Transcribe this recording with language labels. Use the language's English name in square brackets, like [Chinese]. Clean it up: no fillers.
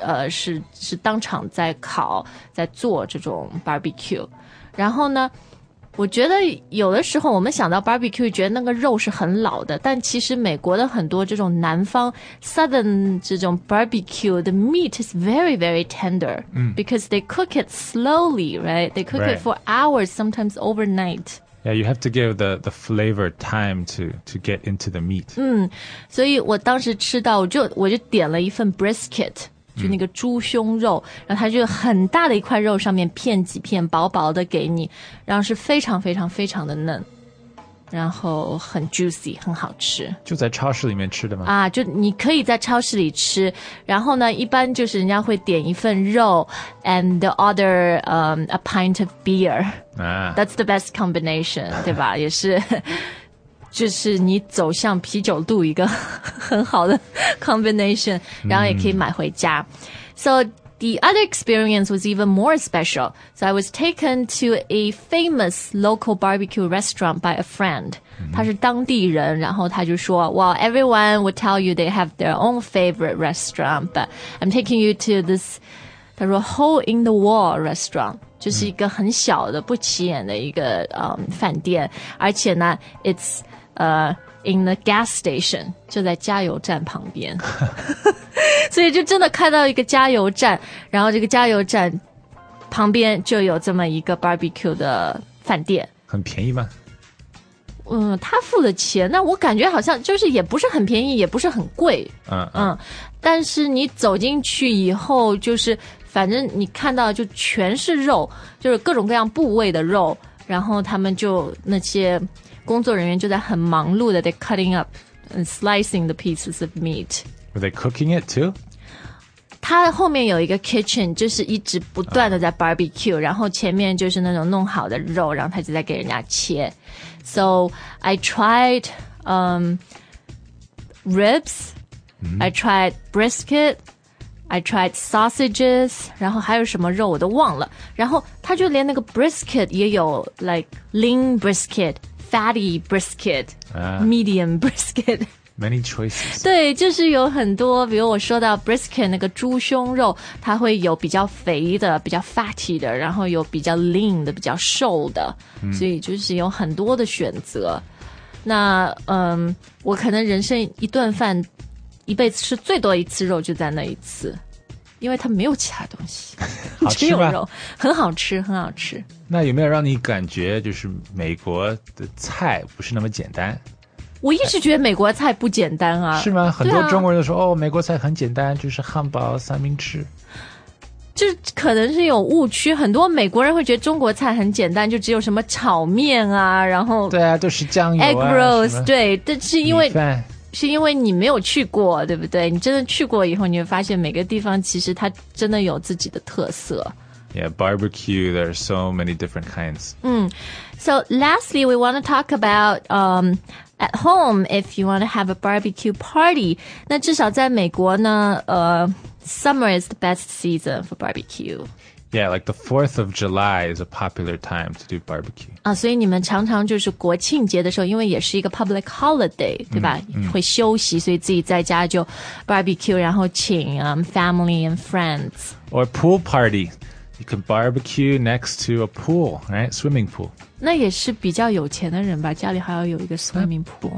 [Chinese] 是当场在烤在做这种 barbecue, 然后呢我觉得有的时候我们想到 barbecue 觉得那个肉是很老的，但其实美国的很多这种南方 southern 这种 barbecue, [English] the meat is very, very tender, because they cook it slowly, right? They cook it for hours, sometimes overnight. Yeah, you have to give the flavor time to get into the meat. [Chinese] 所以我当时吃到我就点了一份 brisket,就那个猪胸肉，然后它就很大的一块肉，上面片几片薄薄的给你，然后是非常非常非常的嫩，然后很 juicy 很好吃。就在超市里面吃的吗？啊，就你可以在超市里吃，然后呢一般就是人家会点一份肉 [English] and the other a pint of beer、 that's the best combination [Chinese] 对吧，也是就是你走向啤酒肚一个很好的 combination, 然后也可以买回家。 [English] So the other experience was even more special. So I was taken to a famous local barbecue restaurant by a friend. [Chinese] 他是当地人，然后他就说 [English] Well, everyone would tell you they have their own favorite restaurant, but I'm taking you to this, [Chinese] 他说 [English] hole in the wall restaurant. [Chinese] 就是一个很小的不起眼的一个饭店，而且呢 [English] it's in the gas station, [Chinese] 就在加油站旁边。所以就真的开到一个加油站，然后这个加油站旁边就有这么一个 barbecue 的饭店。很便宜吗？他付了钱，那我感觉好像就是也不是很便宜也不是很贵。但是你走进去以后就是反正你看到就全是肉，就是各种各样部位的肉，然后他们就那些工作人员就在很忙碌的 [English] they're cutting up and slicing the pieces of meat. Were they cooking it too? [Chinese] 他后面有一个 kitchen, 就是一直不断的在 barbecue,然后前面就是那种弄好的肉，然后他就在给人家切。 [English] So I tried ribs,I tried brisket,I tried sausages, [Chinese] 然后还有什么肉我都忘了。然后他就连那个 [English] brisket [Chinese] 也有 [English] like lean brisket, fatty brisket, medium brisket. Many choices. [Chinese] 对，就是有很多，比如我说到 brisket 那个猪胸肉，它会有比较肥的，比较 fatty 的，然后有比较 lean 的，比较瘦的。所以就是有很多的选择。那我可能人生一顿饭一辈子吃最多一次肉就在那一次，因为它没有其他东西，只有肉，很好吃，很好吃。那有没有让你感觉就是美国的菜不是那么简单？我一直觉得美国菜不简单啊。是吗？很多中国人都说、啊、哦，美国菜很简单，就是汉堡、三明治。就可能是有误区，很多美国人会觉得中国菜很简单，就只有什么炒面啊，然后对啊，都是酱油啊，egg rolls， 对，但是因为。是因为你没有去过，对不对？你真的去过以后，你会发现每个地方其实它真的有自己的特色。 [English] Yeah, barbecue, there are so many different kinds. So lastly, we want to talk about at home, if you want to have a barbecue party. [Chinese] 那至少在美国呢 [English] summer is the best season for barbecue. Yeah, like the 4th of July is a popular time to do barbecue. [Chinese] 啊，所以你们常常就是国庆节的时候，因为也是一个 public holiday, 对吧？Mm-hmm. 会休息，所以自己在家就 barbecue, 然后请 [English] family and friends. Or pool party. You can barbecue next to a pool, right? Swimming pool. [Chinese] 那也是比较有钱的人吧，家里还要有一个 swimming pool.